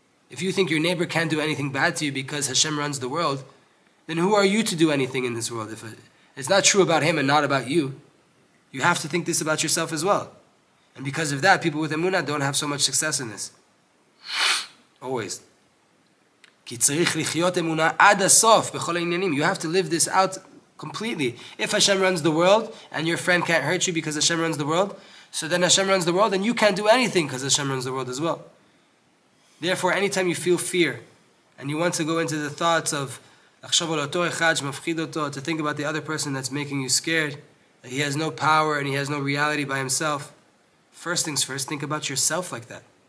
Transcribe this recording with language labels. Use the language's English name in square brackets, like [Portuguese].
[English] If you think your neighbor can't do anything bad to you because Hashem runs the world, then who are you to do anything in this world? If it's not true about him and not about you, you have to think this about yourself as well. And because of that, people with emunah don't have so much success in this. Always. [Hebrew] כי צריך לחיות אמונה עד הסוף בכל העניינים. [English] You have to live this out completely. If Hashem runs the world and your friend can't hurt you because Hashem runs the world, so then Hashem runs the world and you can't do anything because Hashem runs the world as well. Therefore, anytime you feel fear and you want to go into the thoughts of to think about the other person that's making you scared, that he has no power and he has no reality by himself, first things first, think about yourself like that.